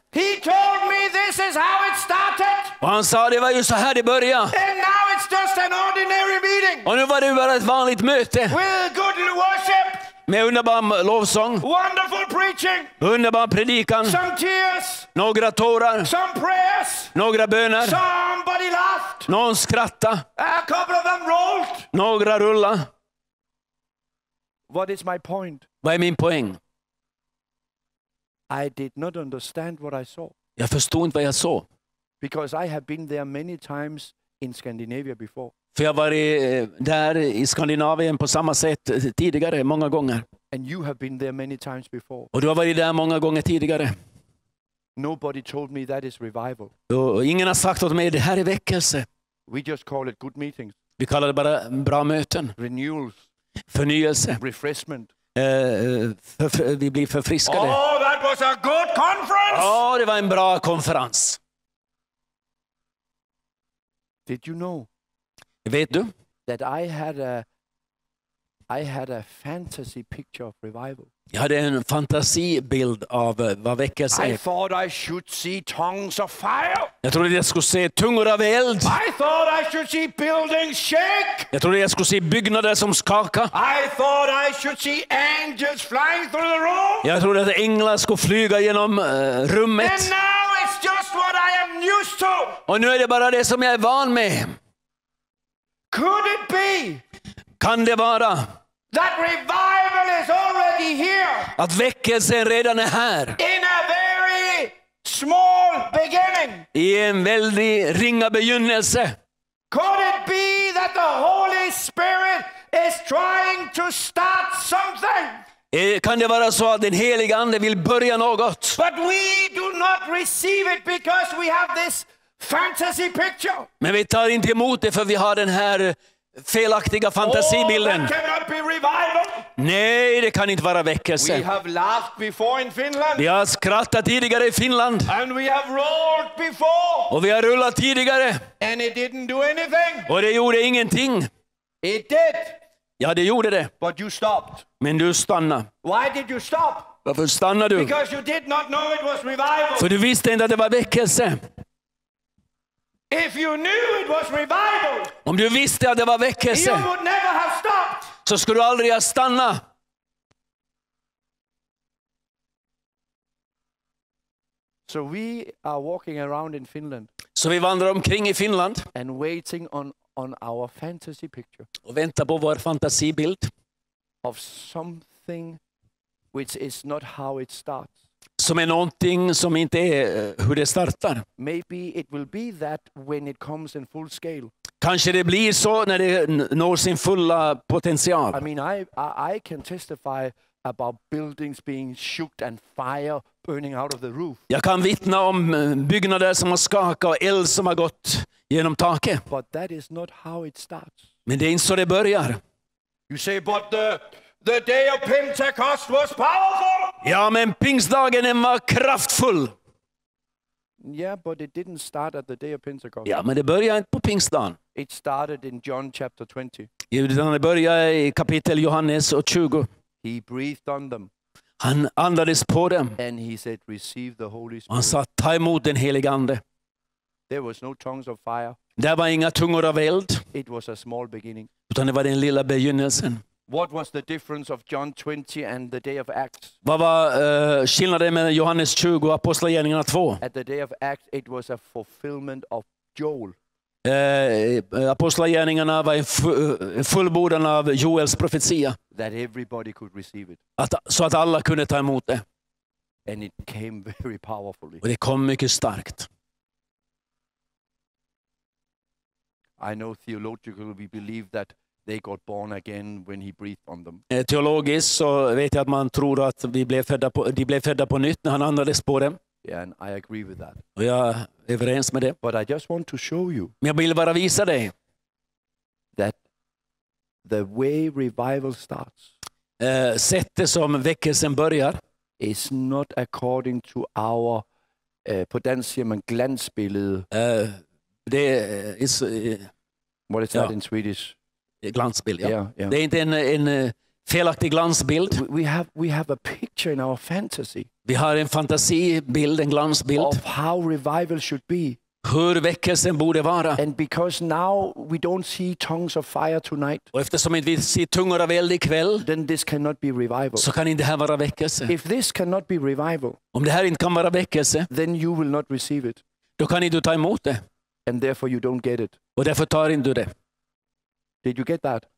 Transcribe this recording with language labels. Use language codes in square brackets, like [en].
[en] He told me this is how it started. [sv] Och han sa det var ju så här det började. [en] And now it's just an ordinary meeting. [sv] Och nu var det bara ett vanligt möte. [en] With good worship. [sv] Med underbar lovsång. [en] Wonderful preaching. [sv] Underbar predikan. [en] Some tears. [sv] Några tårar. [en] Some prayers. [sv] Några böner. [en] Somebody laughed. [sv] Någon skrattade. [en] A couple of them rolled. [sv] Några rullade. [en] What is my point? [sv] Vad är min poäng? [en] I did not understand what I saw. [sv] Jag förstod inte vad jag såg. [en] Because I have been there many times in Scandinavia before. [sv] För jag var där i Skandinavien på samma sätt tidigare många gånger. [en] And you have been there many times before. [sv] Och du har varit där många gånger tidigare. [en] Nobody told me that is revival. [sv] Och ingen har sagt åt mig det här är väckelse. [en] We just call it good meetings. [sv] Vi kallar det bara bra möten. [en] Renewals. [sv] Förnyelse. [en] Refreshment. [sv] Vi blir förfriskade. [en] Oh, that was a good conference. [sv] Oh, det var en bra konferens. [en] Did you know? [sv] Vet du? [en] That I had a fantasy picture of revival. [sv] Jag hade en fantasibild av vad väckelse är. [en] I thought I should see tongues of fire. [sv] Jag trodde jag skulle se tungor av eld. [en] I thought I should see buildings shake. [sv] Jag trodde jag skulle se byggnader som skaka. [en] I thought I should see angels flying through the room. [sv] Jag trodde att änglar skulle flyga genom rummet. [en] And now it's just what I am used to. [sv] Och nu är det bara det som jag är van med. [en] Could it be? [sv] Kan det vara? [en] That revival is already here. [sv] Att väckelsen redan är här. [en] In a very small beginning. [sv] I en väldigt ringa begynnelse. [en] Could it be that the Holy Spirit is trying to start something? [sv] Kan det vara så att den helige ande vill börja något? [en] But we do not receive it because we have this fantasy picture. [sv] Men vi tar inte emot det för vi har den här felaktiga fantasibilden. [en] Oh, that cannot be revival. [sv] Nej, det kan inte vara väckelse. [en] We have laughed before in Finland. [sv] Vi har skrattat tidigare i Finland. [en] And we have rolled before. [sv] Och vi har rullat tidigare. [en] And it didn't do anything. [sv] Och det gjorde ingenting. [en] It did. [sv] Ja, det gjorde det. [en] But you stopped. [sv] Men du stannade. [en] Why did you stop? [sv] Varför stannade du? [en] Because you did not know it was revival. [sv] För du visste inte att det var väckelse. [en] If you knew it was revival, [sv] om du visste att det var väckelse, [en] you would never have stopped. [sv] Så skulle du aldrig ha stannat. [en] So we are walking around in Finland. [sv] Så vi vandrar omkring i Finland. [en] And waiting on our fantasy picture. [sv] Och väntar på vår fantasibild. [en] Of something which is not how it starts. [sv] Som är någonting som inte är hur det startar. [en] Maybe it will be that when it comes in full scale. [sv] Kanske det blir så när det når sin fulla potential. [en] I mean, I can testify about buildings being shook and fire burning out of the roof. [sv] Jag kan vittna om byggnader som har skakat och eld som har gått genom taket. [en] But that is not how it starts. [sv] Men det är inte så det börjar. [en] You say, but the day of Pentecost was powerful. [sv] Ja, men pingstdagen var kraftfull. [en] Yeah, but it didn't start at the day of Pentecost. [sv] Ja, men det började inte på pingstdagen. [en] It started in John chapter 20. [sv] Ja, det började i kapitel Johannes och 20. [en] He breathed on them. [sv] Han andades på dem. [en] And he said, receive the Holy Spirit. [sv] Han sa, ta emot den helige ande. [en] There was no tongues of fire. [sv] Det var inga tungor av eld. [en] It was a small beginning. [sv] Utan det var den lilla begynnelsen. [en] What was the difference of John 20 and the day of Acts? [sv] Vad var skillnaden mellan Johannes 20 och Apostlagärningarna 2? [en] At the day of Acts it was a fulfillment of Joel. [sv] Apostlagärningarna var fullbordan av Joels profetia. [en] That everybody could receive it. [sv] Så att alla kunde ta emot det. [en] And it came very powerfully. [sv] Och det kom mycket starkt. [en] I know theologically we believe that they got born again when he breathed on them. [sv] Teologiskt så vet jag att man tror att de blev födda på nytt när han andades på dem. [en] Yeah, and I agree with that. [sv] Och jag är överens med det. [en] But I just want to show you. [sv] Men jag vill bara visa dig [en] that the way revival starts. [sv] Sättet som väckelsen börjar [en] is not according to our potentium and glansbild. What is that in Swedish? [sv] Glansbild, ja. [en] Yeah. [sv] Det är inte en felaktig glansbild. [en] We have a picture in our fantasy. [sv] Vi har en fantasibild, en glansbild. [en] Of how revival should be. [sv] Hur väckelsen borde vara. [en] And because now we don't see tongues of fire tonight. [sv] Och eftersom vi ser tungor av eld ikväll. [en] Then this cannot be revival. [sv] Så kan inte det här vara väckelse. [en] If this cannot be revival. [sv] Om det här inte kan vara väckelse. [en] Then you will not receive it. [sv] Då kan inte du ta emot det. [en] And therefore you don't get it. [sv] Och därför tar inte du det. [en] Did you get that?